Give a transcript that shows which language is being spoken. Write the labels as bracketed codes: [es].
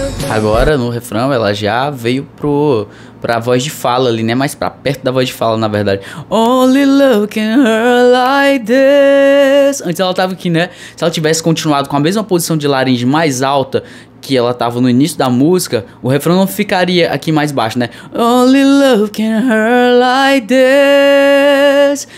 [pt] Agora, no refrão, ela já veio pra voz de fala ali, né? Mais pra perto da voz de fala, na verdade. [en] Only looking her like this. [pt] Antes ela tava aqui, né? Se ela tivesse continuado com a mesma posição de laringe mais alta que ela tava no início da música, o refrão não ficaria aqui mais baixo, né? [en] Only looking her like this.